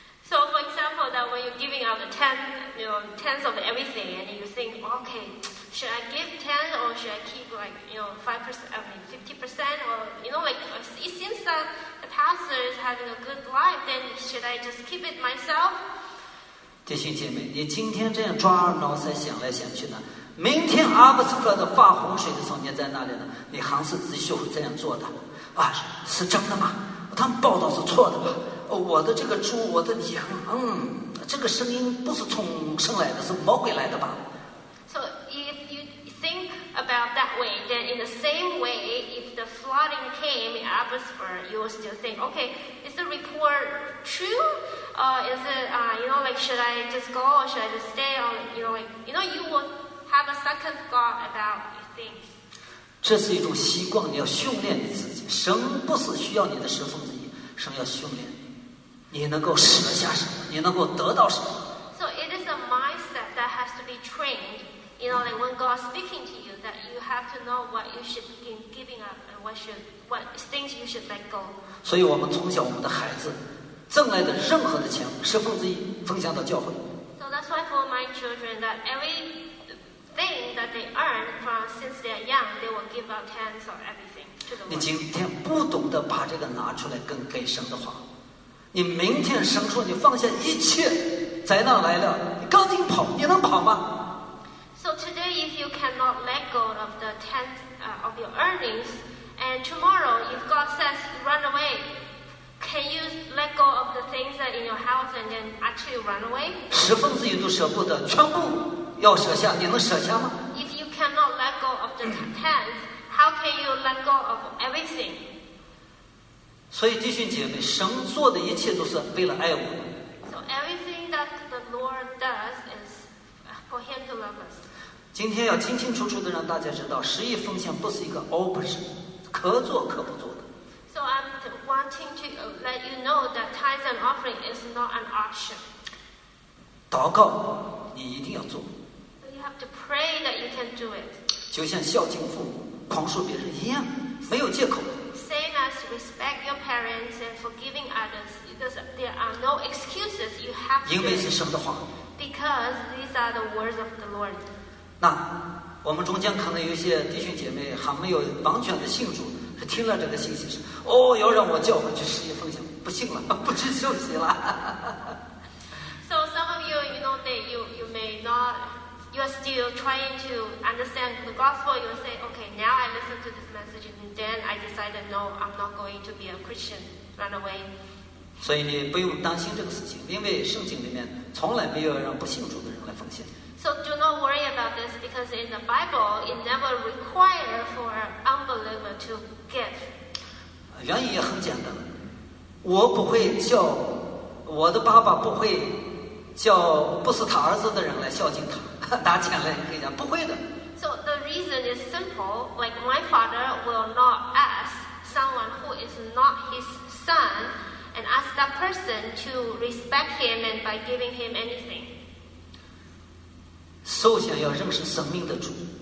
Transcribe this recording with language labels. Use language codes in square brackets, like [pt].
[en] So, for example, that when you're giving out tenth of everything, and you think, okay, should I give 10 or should I keep like you know 5%, I mean 50%, or you know like it seems that the pastor is having a good life, then should I just keep it myself? [zh] 弟兄姐妹，你今天这样抓耳挠腮想来想去呢，明天阿伯斯哥的发洪水的时候你在那里呢，你还是继续这样做的啊？是真的吗？他们报道是错的吧？哦，我的这个猪，我的羊，这个声音不是从生来的，是魔鬼来的吧 [en] ？So if you think about that way, then in the same way, if the flooding came in Abbotsford, you will still think, okay, is the report true? Is it you know like should I just go or should I just stay? Or you know like you know you will have a second thought about things. [zh] 这是一种习惯，你要训练你自己。神不是需要你的十分之一，神要训练你能够舍下什么，你能够得到什么。 [en] So it is a mindset that has to be trained. You know, like when God speaking to you, that you have to know what you should begin giving up and what things you should let go. [zh] 所以我们从小我们的孩子挣来的任何的钱，十分之一分享到教会。 [en] So that's why for my children that every thing that they earn from since they are young, they will give up tens or everything to the Lord. [zh] 你今天不懂得把这个拿出来跟给神的话，你明天神说你放下一切，灾难来了，你赶紧跑，你能跑吗 [en] ？So today, if you cannot let go of the tenth of your earnings, and tomorrow, if God says run away, can you let go of the things that in your house and then actually run away? [zh] 十分之一都舍不得，全部。要舍下，你能舍下吗 [en] ？If you cannot let go of the tenth, how can you let go of everything? [zh] 所以弟兄姐妹，神做的一切都是为了爱我们。 [en] So everything that the Lord does is for Him to love us. [zh] 今天要清清楚楚的让大家知道，十一奉献不是一个 option， 可做可不做的。 [en] So I'm wanting to let you know that tithes and offering is not an option. [zh] 祷告，你一定要做。 [en] To pray that you can do it. [zh] 就像孝敬父母、宽恕别人一样，没有借口。 [en] Same as respect your parents and forgiving others, because there are no excuses. You have to. [zh] 因为是神的话。 [en] Because these are the words of the Lord. [zh] 那我们中间可能有一些弟兄姐妹还没有完全的信主，是听了这个信息是哦，要让我叫我去十一奉献，不信了，不去休息了。 [en] So some of you, you know, that you may not. You are still trying to understand the gospel. You say, "Okay, now I listen to this message, and then I decided, no, I'm not going to be a Christian. Run away." [zh] 所以你不用担心这个事情，因为圣经里面从来没有让不信主的人来奉献。 [en] So do not worry about this, because in the Bible, it never required for unbeliever to give. [zh] 原因也很简单，我不会叫我的爸爸不会叫不是他儿子的人来孝敬他。拿钱来给人家，不会的。 [en] So the reason is simple. Like my father will not ask someone who is not his son and ask that person to respect him and by giving him anything. [zh] 首先要认识生命的主。